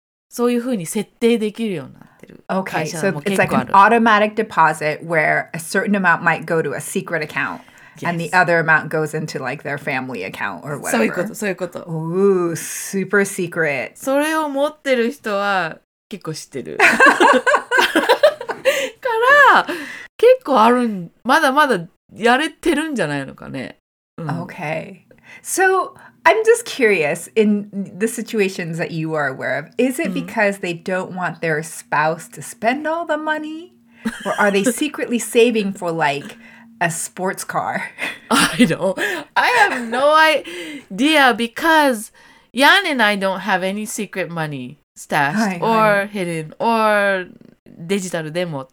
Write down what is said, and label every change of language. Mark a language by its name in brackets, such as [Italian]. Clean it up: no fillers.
[Japanese] そういうふうに設定できるようになってる。 [English] Okay, so it's like an automatic deposit where a certain amount might go to a secret account、yes. and the other amount goes into like their family account or whatever. [Japanese] そういうこと、そういうこと。 [English] Ooh, super secret. [Japanese] それを持ってる人は結構知ってる。から、結構あるん、まだまだやれてるんじゃないのかね。うん、 [English] okay, so... I'm just curious, in the situations that you are aware of, is it because they don't want their spouse to spend all the money? Or are they secretly saving for, like, a sports car? I don't. I have no idea because Jan and I don't have any secret money stashed [Japanese] はい、はい、 [English] or hidden or digital demo.